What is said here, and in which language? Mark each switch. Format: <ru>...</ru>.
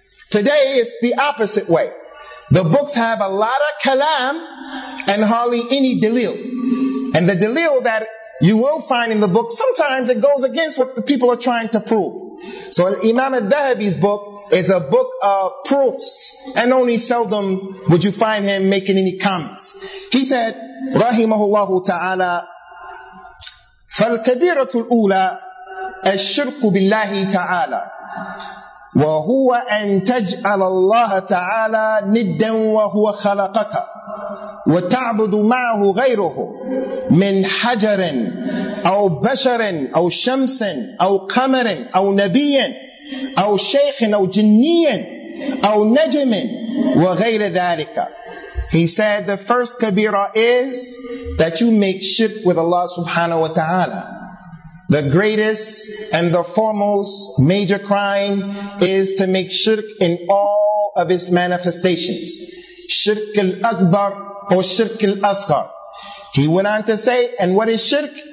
<en>Today, it's the opposite way. The books have a lot of kalam and hardly any dalil. And the dalil that you will find in the book, sometimes it goes against what the people are trying to prove. So Imam al-Dhahabi's book is a book of proofs, and only seldom would you find him making any comments. He said,</en> <ar>rahimahullahu ta'ala, فالكبيرة الأولى الشرك بالله تعالى وهو أن تجعل الله تعالى ندا وهو خلقك وتعبد معه غيره من حجر أو بشر أو شمس أو قمر أو نبي أو شيخ أو جني أو نجم وغير ذلك.</ar> <en>He said the first kabira is that you make shirk with Allah subhanahu wa ta'ala. The greatest and the foremost major crime is to make shirk in all of its manifestations. Shirk al-akbar or shirk al-asghar. He went on to say, and what is shirk?</en>